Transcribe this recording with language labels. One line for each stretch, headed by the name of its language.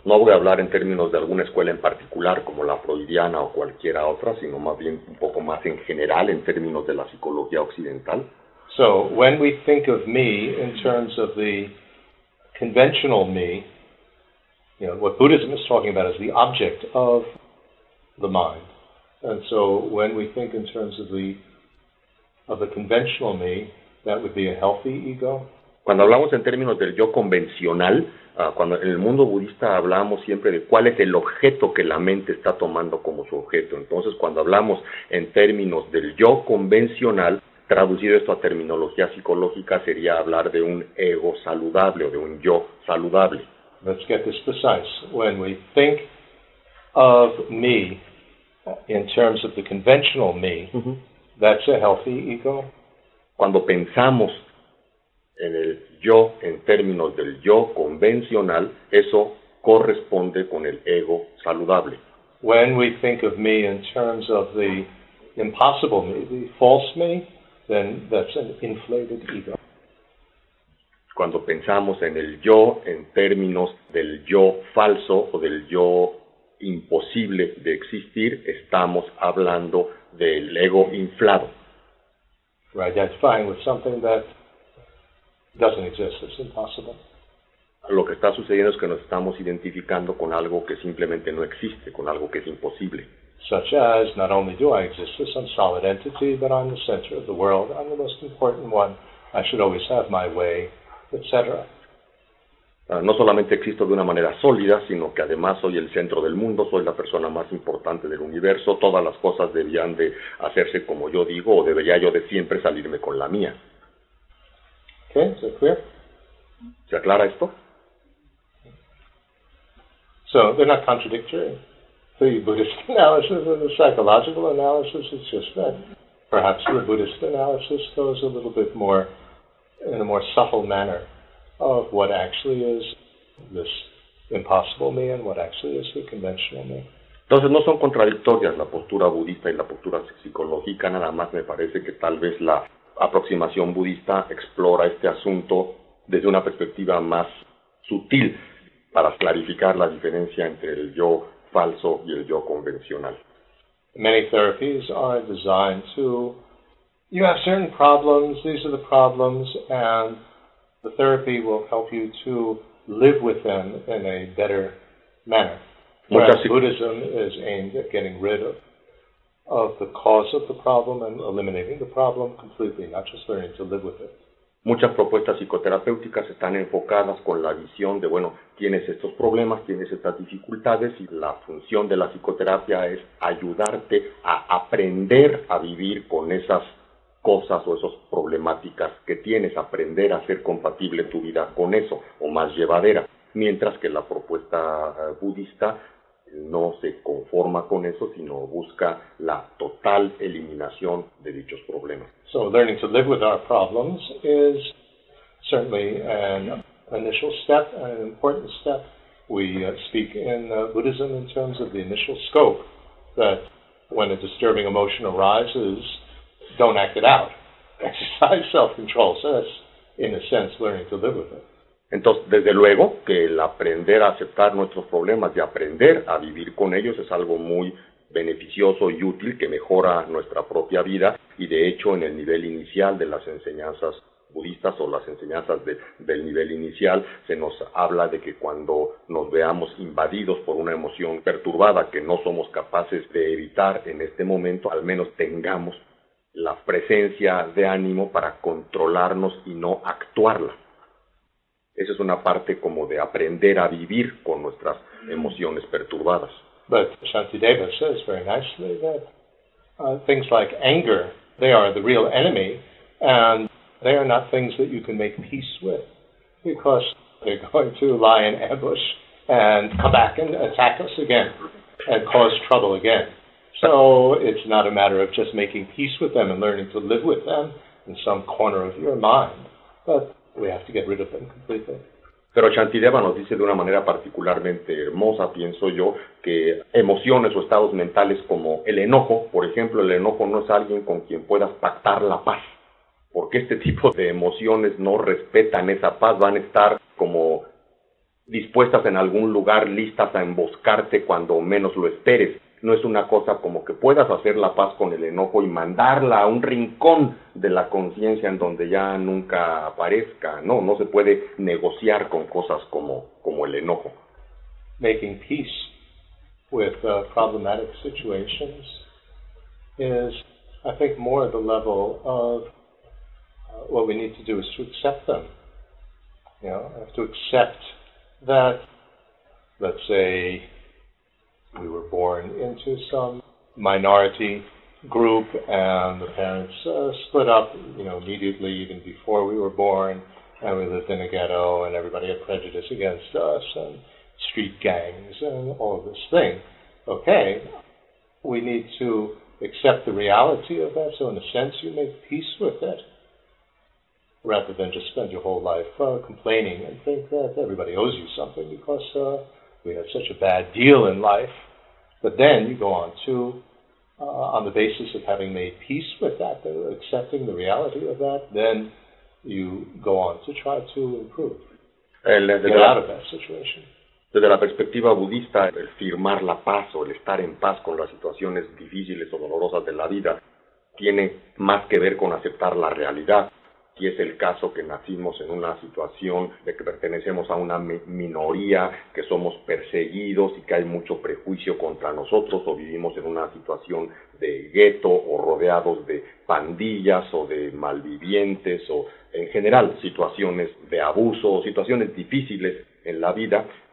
Spanish: No voy a hablar en términos de alguna escuela en particular, como la freudiana o cualquiera otra, sino más bien un poco más en general, en términos de la psicología occidental.
English: So, when we think of me in terms of the conventional me, you know, what Buddhism is talking about is the object of the mind. And so, when we think in terms of the conventional me, that would be a healthy ego.
Spanish: Cuando hablamos en términos del yo convencional, cuando en el mundo budista hablamos siempre de cuál es el objeto que la mente está tomando como su objeto. Entonces, cuando hablamos en términos del yo convencional, traducido esto a terminología psicológica, sería hablar de un ego saludable o de un yo saludable.
English: Let's get this precise. When we think of me in terms of the conventional me, that's a healthy ego.
Spanish: Cuando pensamos en el yo, en términos del yo convencional, eso corresponde con el ego saludable.
English: When we think of me in terms of the impossible me, the false me, then that's an inflated ego.
Spanish: Cuando pensamos en el yo, en términos del yo falso o del yo imposible de existir, estamos hablando del ego inflado.
English: Right, that's fine with something that doesn't exist. It's impossible.
Spanish: Lo que está sucediendo es que nos estamos identificando con algo que simplemente no existe, con algo que es imposible.
English: Such as, not only do I exist as some solid entity, but I'm the center of the world, I'm the most important one, I should always have my way, etc.
Spanish: No solamente existo de una manera sólida, sino que además soy el centro del mundo, soy la persona más importante del universo, todas las cosas debían de hacerse como yo digo, o debería yo de siempre salirme con la mía.
English: Okay, is that clear?
Spanish: ¿Se aclara esto?
English: So, they're not contradictory. The Buddhist analysis and the psychological analysis, it's just that perhaps the Buddhist analysis goes a little bit more, in a more subtle manner, of what actually is this impossible me and what actually is the conventional me.
Spanish: Entonces, no son contradictorias la postura budista y la postura psicológica, nada más me parece que tal vez la aproximación budista explora este asunto desde una perspectiva más sutil para clarificar la diferencia entre el yo falso y el yo convencional.
English: Many therapies are designed to, you have certain problems, these are the problems, and the therapy will help you to live with them in a better manner. Whereas Buddhism is aimed at getting rid of the cause of the problem and eliminating the problem completely, not just learning to live with it.
Spanish: Muchas propuestas psicoterapéuticas están enfocadas con la visión de, bueno, tienes estos problemas, tienes estas dificultades, y la función de la psicoterapia es ayudarte a aprender a vivir con esas cosas o esas problemáticas que tienes, aprender a ser compatible tu vida con eso, o más llevadera. Mientras que la propuesta budista no se conforma con eso, sino busca la total eliminación de dichos problemas.
English: So learning to live with our problems is certainly an initial step, an important step. We speak in Buddhism in terms of the initial scope, that when a disturbing emotion arises, don't act it out. Exercise self-control. So that's, in a sense, learning to live with it.
Spanish: Entonces, desde luego que el aprender a aceptar nuestros problemas y aprender a vivir con ellos es algo muy beneficioso y útil que mejora nuestra propia vida. Y de hecho, en el nivel inicial de las enseñanzas budistas o las enseñanzas del nivel inicial, se nos habla de que cuando nos veamos invadidos por una emoción perturbada que no somos capaces de evitar en este momento, al menos tengamos la presencia de ánimo para controlarnos y no actuarla. Esa es una parte como de aprender a vivir con nuestras emociones perturbadas.
English: But Shantideva says very nicely that things like anger, they are the real enemy, and they are not things that you can make peace with, because they're going to lie in ambush and come back and attack us again and cause trouble again. So it's not a matter of just making peace with them and learning to live with them in some corner of your mind, but we have to get rid of them completely.
Spanish: Pero Shantideva nos dice de una manera particularmente hermosa, pienso yo, que emociones o estados mentales como el enojo, por ejemplo, el enojo no es alguien con quien puedas pactar la paz, porque este tipo de emociones no respetan esa paz, van a estar como dispuestas en algún lugar, listas a emboscarte cuando menos lo esperes. No es una cosa como que puedas hacer la paz con el enojo y mandarla a un rincón de la conciencia en donde ya nunca aparezca. No, no se puede negociar con cosas como el enojo.
English: Making peace with problematic situations is, I think, more the level of what we need to do is to accept them. You know, I have to accept that, let's say, we were born into some minority group and the parents split up, you know, immediately even before we were born, and we lived in a ghetto and everybody had prejudice against us and street gangs and all of this thing. Okay, we need to accept the reality of that, so in a sense you make peace with it rather than just spend your whole life complaining and think that everybody owes you something because we had such a bad deal in life. But then you go on to, on the basis of having made peace with that, accepting the reality of that, then you go on to try to improve, get out of that situation.
Spanish: Desde la perspectiva budista, el firmar la paz o el estar en paz con las situaciones difíciles o dolorosas de la vida tiene más que ver con aceptar la realidad. Si es el caso que nacimos en una situación de que pertenecemos a una minoría, que somos perseguidos y que hay mucho prejuicio contra nosotros, o vivimos en una situación de gueto o rodeados de pandillas o de malvivientes o en general situaciones de abuso o situaciones difíciles en la vida,